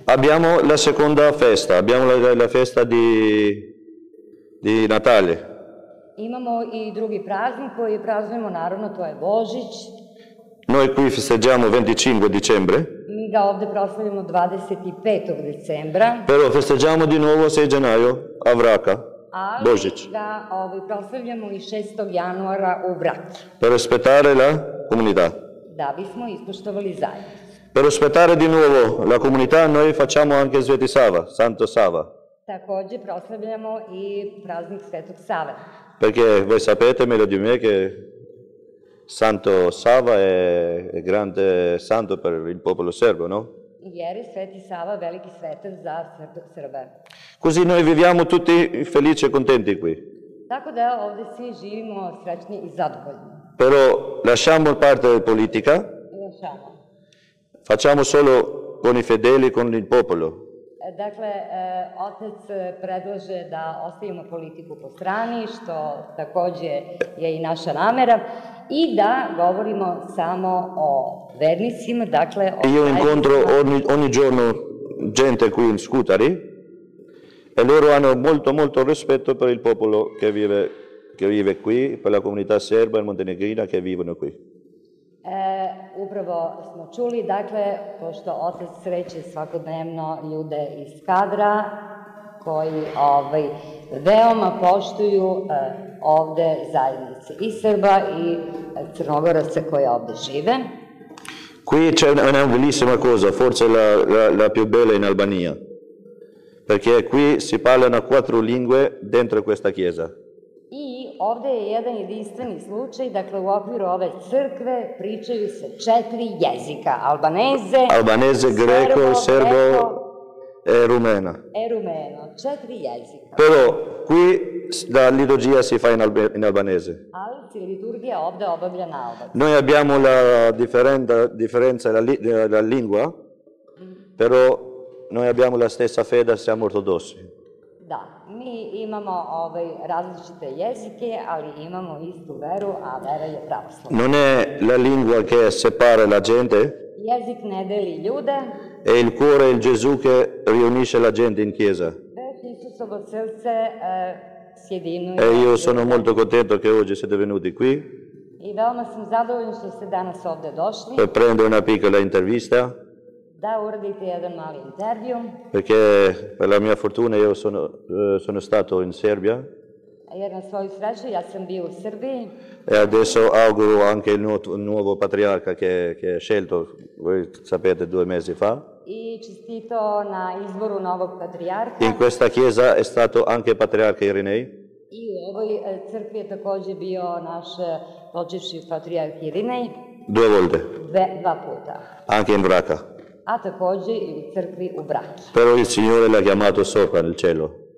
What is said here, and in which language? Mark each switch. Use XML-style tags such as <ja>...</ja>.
<it>Abbiamo la seconda festa, abbiamo la festa di Natale.</it> <sr>Imamo i drugi praznik koji praznujemo, naravno, to je Božić.</sr> <it>Noi qui festeggiamo 25 dicembre.</it> <sr>Mi ga ovde proslavljamo 25. decembra.</sr> <it>Però festeggiamo di nuovo 6 gennaio a Vraka, Božić.</it> <sr>Ali ga proslavljamo i 6. januara u Vraki.</sr> <it>Per rispettare la comunità.</it> <sr>Da bismo ispoštovali zajednicu.</sr> <it>Per rispettare di nuovo la comunità, noi facciamo anche Sveti Sava, Santo Sava.</it> <sr>Takođe proslavljamo i praznik Svetog Save.</sr> <it>Perché voi sapete meglio di me che Santo Sava è grande santo per il popolo serbo, no?</it> <sr>Jer je Sveti Sava veliki svetac za Srbe.</sr> <it>Così noi viviamo tutti felici e contenti qui.</it> <sr>Tako da ovde svi živimo srećni i zadovoljni.</sr> <it>Però lasciamo parte della politica, lasciamo. Facciamo solo con i fedeli, con il popolo.</it> <sr>Dakle, otec predlaže da ostavimo politiku po strani, što takođe je i naša namera, i da govorimo samo o vernicima, dakle...</sr> <it>Io incontro ogni giorno gente qui in Scutari, e loro hanno molto molto rispetto per il popolo che vive qui. Che vive qui, per la comunità serba e montenegrina che vivono qui.</it> <sr>Upravo smo čuli, dakle, pošto otac sreće svakodnevno ljude iz Kadra, koji veoma poštuju ovde zajednice i Srba i Crnogoraca koje ovde žive.</sr> <it>Qui c'è una bellissima cosa, forse la più bella in Albania, perché qui si parlano quattro lingue dentro questa chiesa.</it> <sr>Ovde je jedan jedinstveni slučaj, dakle u okviru ove crkve pričaju se četiri jezika, albaneze,</sr> <it>greko, serbo e rumeno. E rumeno,</it> <sr>četiri jezika.</sr> <it>Però qui la liturgia si fa in albanese.</it> <sr>Ali si liturgia ovde obavlja na albanese.</sr> <it>Noi abbiamo la differenza della lingua, però noi abbiamo la stessa fede, siamo ortodossi.</it> <sr>Da, mi imamo različite jezike, ali imamo istu veru, a vera je pravoslavna.</sr> <it>Non è la lingua che separa la gente?</it> <sr>Jezik ne deli ljude.</sr> <it>È il cuore, il Gesù che riunisce la gente in chiesa.</it> <sr>Već Isusovo srce sjedinuje.</sr> <it>E io sono molto contento che oggi siete venuti qui.</it> <sr>I veoma sam zadovoljna što ste danas ovde došli.</sr> <it>Per prendere una piccola intervista.</it> <sr>Da, uradite jedan mali intervju.</sr> <it>Perché per la mia fortuna io sono stato in Serbia.</it> <sr>A jer na svoju sreću ja sam bio u Srbiji.</sr> <it>E adesso auguro anche il nuovo patriarca che è scelto, voi sapete, due mesi fa.</it> <sr>I čestito na izboru novog patrijarha.</sr> <it>In questa chiesa è stato anche patriarca Irinej.</it> <sr>I u ovoj crkvi je takođe bio naš počevši patrijarh Irinej.</sr> <it>Due volte.</it> <sr>Dva puta.</sr> <it>Anche in Braca.</it> <sr>A takođe i u crkvi u Braci.</sr> <it>Però il Signore l'ha chiamato sopra nel cielo.</it>